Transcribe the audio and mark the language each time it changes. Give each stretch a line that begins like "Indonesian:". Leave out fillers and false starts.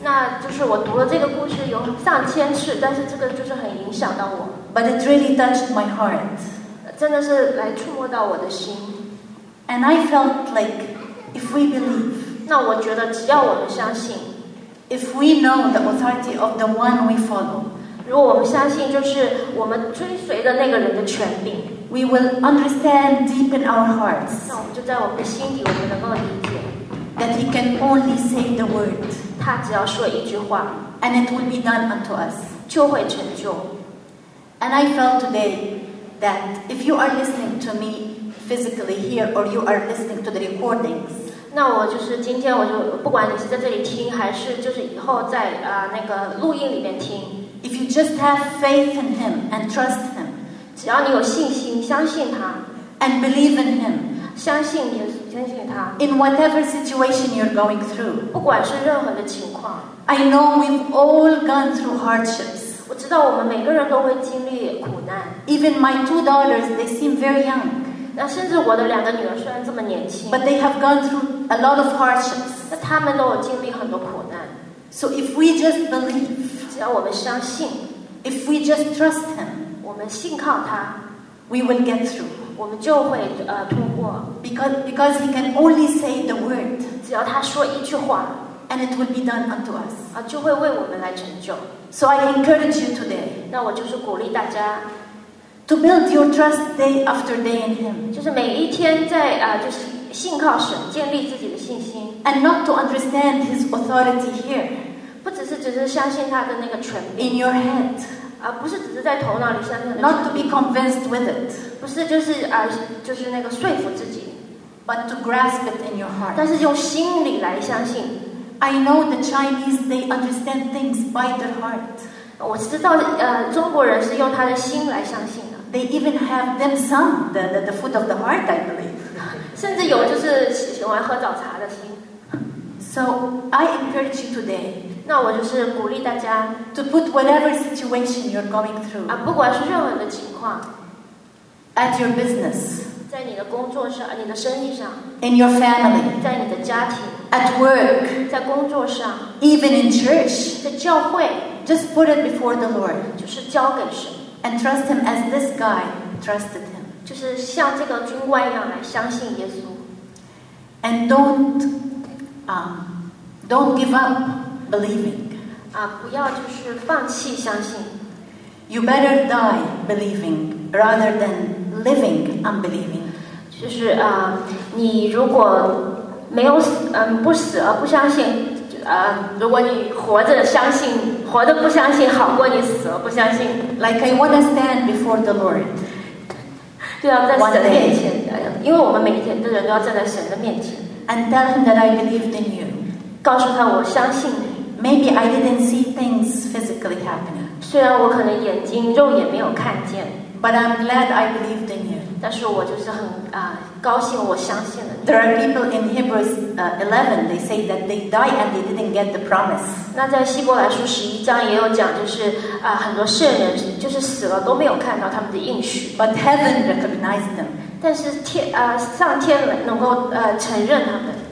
Chinese: 那就是我读了这个故事有上千次，但是这个就是很影响到我。
English: But it really touched my heart.
Chinese: 真的是来触摸到我的心。
English: And I felt like. If we believe,
Chinese: 那我觉得只要我们相信
English: ，if we know the authority of the one we follow,
Chinese: 如果我们相信就是我们追随的那个人的权柄
English: ，we will understand deep in our hearts.
Chinese: 那我们就在我们的心底，我们能够理解
English: that he can only say the word.
Chinese: 他他只要说一句话
English: and it will be done unto us.
Chinese: 就会成就。
English: And I felt today that if you are listening to me physically here or you are listening to the recordings,
Chinese: 那我就是今天我就不管你是在这里听还是就是以后在那个录音里面听。
English: If you just have faith in him and trust him,
Chinese: 只要你有信心相信他
English: and believe in him,
Chinese: 相信你相信他
English: in whatever situation you're going through,
Chinese: 不管是任何的情况
English: I know we've all gone through hardships.
Chinese: 我知道我们每个人都会经历苦难。
English: Even my $2, they seem very young.
Chinese: 那甚至我的两个女儿虽然这么年轻。
English: But they have gone through a lot of hardships.
Chinese: 那他们都有经历很多苦难。
English: So if we just believe,
Chinese: 只要我们相信。
English: If we just trust him,
Chinese: 我们信靠他。
English: We will get through.
Chinese: 我们就会通过。
English: Because he can only say the word.
Chinese: 只要他说一句话。
English: And it will be done unto us.
Chinese: 就会为我们来成就。
English: So I encourage you today.
Chinese: 那我就是鼓励大家
English: to build your trust day after day in Him.
Chinese: 就是每一天在就是信靠神，建立自己的信心。
English: And not to understand His authority here.
Chinese: 不只是只是相信他的那个权柄。
English: In your head.
Chinese: 不是只是在头脑里相信。
English: Not to be convinced with it.
Chinese: 不是就是就是那个说服自己。
English: But to grasp it in your heart.
Chinese: 但是用心里来相信。
English: I know the Chinese, they understand things by their heart.
Chinese: 我知道中国人是用他的心来相信的。
English: They even have them some, the food of the heart, I believe.
Chinese: 甚至有就是喜欢喝早茶的心。
English: So, I encourage you today.
Chinese: 那我就是鼓励大家
English: to put whatever situation you're going through.
Chinese: 不管是任何的情况。
English: At your business.
Chinese: 在你的工作上，你的生意上。
English: In your family.
Chinese: 在你的家庭。
English: At work,
Chinese: 在工作上
English: even in church,
Chinese: 在教会
English: just put it before the Lord,
Chinese: 就是交给神
English: and trust him as this guy trusted him,
Chinese: 就是像这个军官一样来相信耶稣
English: and don't give up believing,
Chinese: 不要就是放弃相信
English: you better die believing rather than living unbelieving,
Chinese: 就是你如果没有死，不死而不相信，如果你活着相信，活着不相信，好过你死而不相信。
English: Like I want to stand before the Lord.
Chinese: 对啊，在神面前，因为我们每一天的人都要站在神的面前。
English: And tell him that I believed in you.
Chinese: 告诉他我相信你。
English: Maybe I didn't see things physically happening.
Chinese: 虽然我可能眼睛肉眼没有看见。
English: But I'm glad I believed in you.
Chinese: 但是我就是很高兴我相信了你。
English: There are people in Hebrews 11, they say that they die and they didn't get the promise.
Chinese: 那在希伯来书十一章也有讲，就是很多圣人就是死了都没有看到他们的应许。
English: But heaven recognized them.
Chinese: 但是上天能够承认他们。